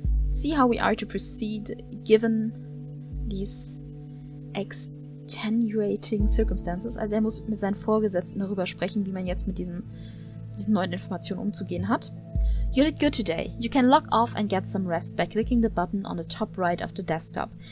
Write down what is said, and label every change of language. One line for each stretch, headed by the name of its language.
English: See how we are to proceed given these extenuating circumstances.
German: Also er muss mit seinen Vorgesetzten darüber sprechen, wie man jetzt mit diesen neuen Informationen umzugehen hat.
English: You did good today. You can log off and get some rest by clicking the button on the top right of the desktop.